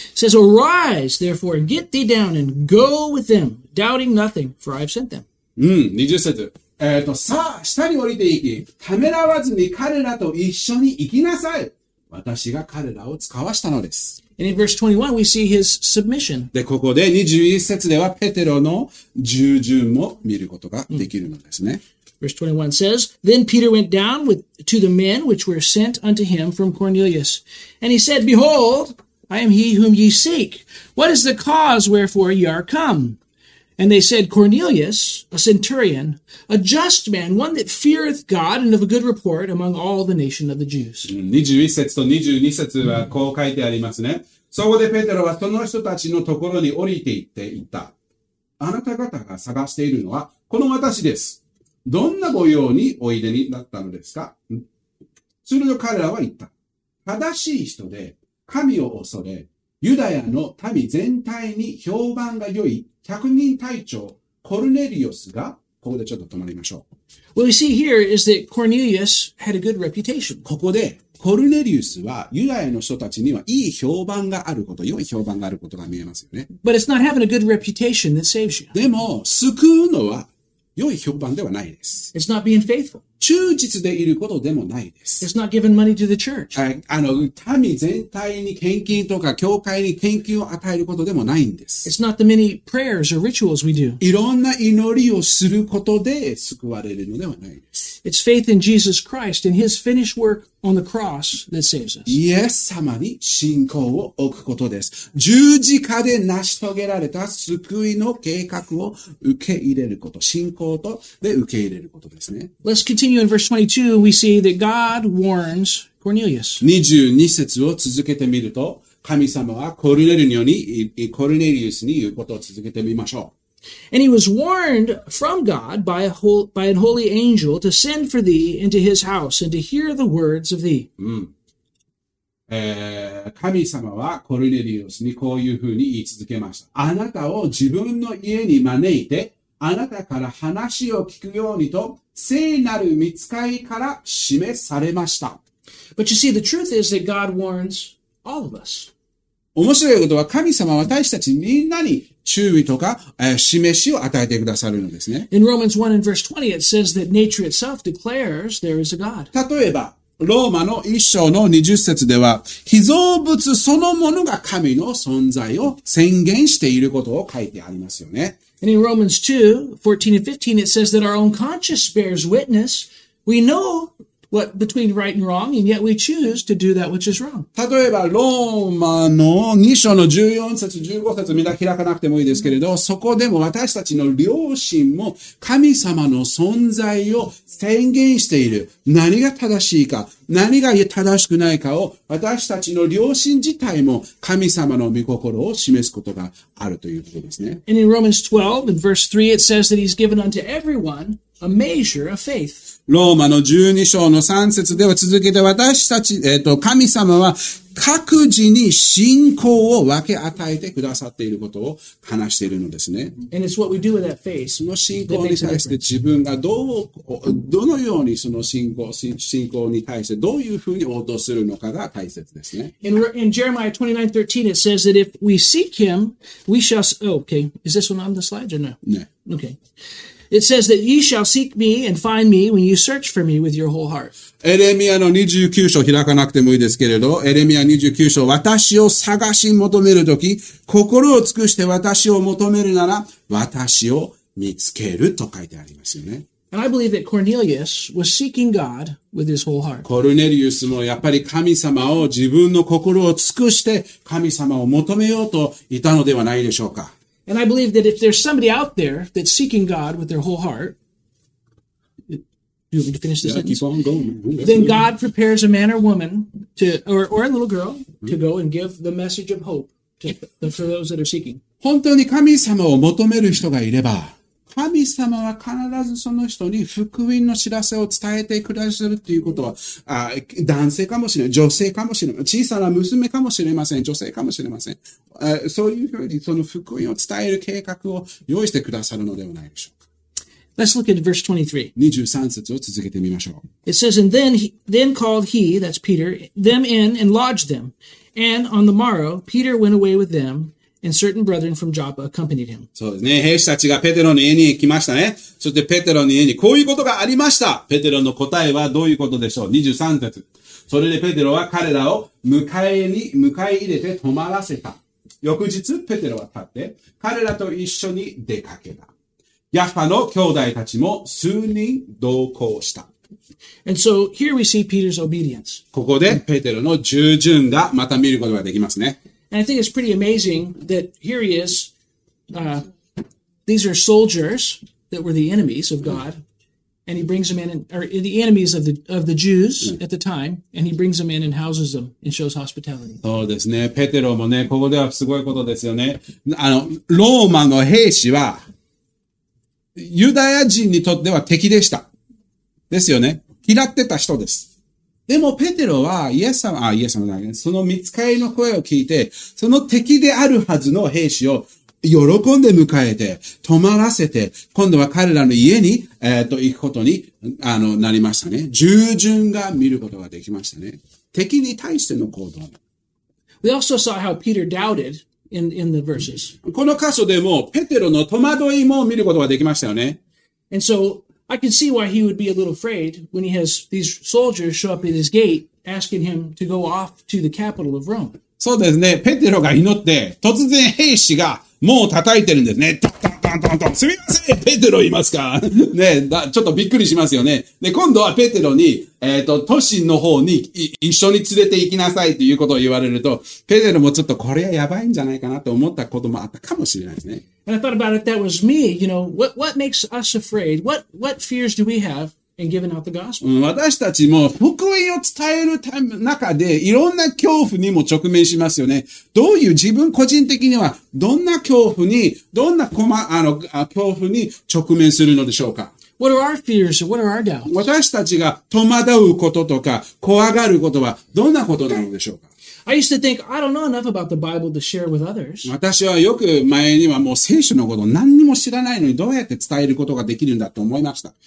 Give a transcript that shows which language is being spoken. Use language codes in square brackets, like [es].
[en] Says, Arise, therefore, and get thee down and go with them, doubting nothing, for I have sent them. [ja] 20節。さあ、下に降りて行き、ためらわずに彼らと一緒に行きなさい。私が彼らを使わしたのです。 [en] And in verse 21, we see his submission. [ja] で、ここで21節では、ペテロの従順も見ることができるのですね。 [en] Verse 21 says, Then Peter went down to the men which were sent unto him from Cornelius. And he said, Behold, I am he whom ye seek. What is the cause wherefore ye are come? And they said, Cornelius, a centurion, a just man, one that feareth God and of a good report among all the nation of the Jews. [ja] 21節と22節はこう書いてありますね。そこでペテロはその人たちのところに降りて行って言った。あなた方が探しているのはこの私です。どんなご用においでになったのですか? すると彼らは言った。正しい人で神を恐れ、ユダヤの民全体に評判が良い百人隊長コルネリオスが、ここでちょっと止まりましょう。 [en] What we see here is that Cornelius had a good reputation. [ja] ここで、コルネリウスはユダヤの人たちにはいい評判があること、良い評判があることが見えますよね。 [en] But it's not having a good reputation that saves you. [ja] でも、救うのは良い評判ではないです。 [en] It's not being faithful. [ja] 忠実でいることでもないです。 [en] It's not giving money to the church. [ja] 民全体に献金とか教会に献金を与えることでもないんです。 [en] It's not the many prayers or rituals we do. [ja] いろんな祈りをすることで救われるのではないです。 [en] It's faith in Jesus Christ and His finished work on the cross that saves us. [ja] イエス様に信仰を置くことです。十字架で成し遂げられた救いの計画を受け入れること、信仰とで受け入れることですね。 [en] Let's continue in verse 22. We see that God warns Cornelius. [ja] 22節を続けてみると、神様はコルネリウスに言うことを続けてみましょう。 [en] And he was warned from God by an holy angel to send for thee into his house and to hear the words of thee.、 [ja] 神様はコルネリウスにこういうふうに言い続けました。あなたを自分の家に招いて、あなたから話を聞くようにと聖なる御使いから示されました。 [en] But you see, the truth is that God warns all of us. [ja] 面白いことは神様は私たちみんなに注意とか、示しを与えてくださるのですね。 [en] In Romans 1 and verse 20, it says that nature itself declares there is a God. [ja] 例えば、ローマの1章の20節では、被造物そのものが神の存在を宣言していることを書いてありますよね。 [en] And in Romans 2, 14 and 15, it says that our own conscience bears witness. We know what between right and wrong, and yet we choose to do that which is wrong. [ja] 例えば、ローマの2章の14節、15節、みんな開かなくてもいいですけれど、そこでも私たちの良心も神様の存在を宣言している。何が正しいか、何が正しくないかを私たちの良心自体も神様の御心を示すことがあるということですね。 [en] And in Romans 12, in verse 3, it says that he's given unto everyone a measure of faith. [ja] ローマの12章の3節では続けて私たち、神様は各自に信仰を分け与えてくださっていることを話しているのですね。 [en] And it's what we do with that faith. [ja] その信仰に対して自分がどのようにその信仰に対してどういうふうに応答するのかが大切ですね。 [en] In Jeremiah 29:13 it says that if we seek him, we shall, okay, is this one on the slide or no? ね。 Okay. It says that ye shall seek me and find me when you search for me with your whole heart. [ja] エレミアの29章開かなくてもいいですけれど、エレミア29章、私を探し求めるとき、心を尽くして私を求めるなら、私を見つけると書いてありますよね。 [en] And I believe that Cornelius was seeking God with his whole heart. [ja] コルネリウスもやっぱり神様を自分の心を尽くして神様を求めようといたのではないでしょうか。 [en] And I believe that if there's somebody out there that's seeking God with their whole heart, do you want me to finish this? Yeah, keep on going. Then God prepares a man or woman to, or a little girl to go and give the message of hope for those that are seeking. [ja] 本当に神様を求める人がいれば、神様は必ずその人に福音の知らせを伝えてくださるということは、男性かもしれない、女性かもしれない、小さな娘かもしれません、女性かもしれません。そういうふうにその福音を伝える計画を用意してくださるのではないでしょうか。 [en] Let's look at verse 23. [ja] 23節を続けてみましょう。 [en] It says, And then called he, that's Peter, them in and lodged them. And on the morrow, Peter went away with them. And certain brethren from Joppa accompanied him. [ja] そうですね。兵士たちがペテロの家に来ましたね。そしてペテロの家にこういうことがありました。ペテロの答えはどういうことでしょう。23節。それでペテロは彼らを迎え入れて泊まらせた。翌日、ペテロは立って彼らと一緒に出かけた。ヤッパの兄弟たちも数人同行した。 [en] And so here we see Peter's obedience. [ja] ここでペテロの従順がまた見ることができますね。 [en] And I think it's pretty amazing that here he is, these are soldiers that were the enemies of God, and he brings them in, or the enemies of the Jews at the time, and he brings them in and houses them and shows hospitality. [ja] そうですね。ペテロもね、ここではすごいことですよね。ローマの兵士は、ユダヤ人にとっては敵でした。ですよね。嫌ってた人です。でもペテロはイエス様だね。その御使いの声を聞いて、その敵であるはずの兵士を喜んで迎えて、泊まらせて、今度は彼らの家に行くことになりましたね。従順が見ることができましたね。敵に対しての行動。 [en] We also saw how Peter doubted in the verses. [ja] この箇所でも、ペテロの戸惑いも見ることができましたよね。 [en] And so, I can see why he would be a little afraid when he has these soldiers show up at his gate asking him to go off to the capital of Rome. [ja] そうですね。ペテロが祈って、突然兵士が門を叩いてるんですね。すみません、ペテロいますか？ね、ちょっとびっくりしますよね。で、今度はペテロに、都心の方に一緒に連れて行きなさいということを言われると、ペテロもちょっとこれはやばいんじゃないかなと思ったこともあったかもしれないですね。 [en] And I thought about it, that was me, you know, what makes us afraid? What fears do we have in giving out the gospel? [ja] 私たちも福音を伝える中でいろんな恐怖にも直面しますよね。どういう自分個人的にはどんな恐怖に、どんな恐怖に直面するのでしょうか？ [en] What are our fears? What are our doubts? [ja] 私たちが戸惑うこととか怖がることはどんなことなのでしょうか？ [en] I used to think I don't know enough about the Bible to share with others. [ja] 私はよく前にはもう聖書のことを何にも知らないのにどうやって伝えることができるんだと思いました。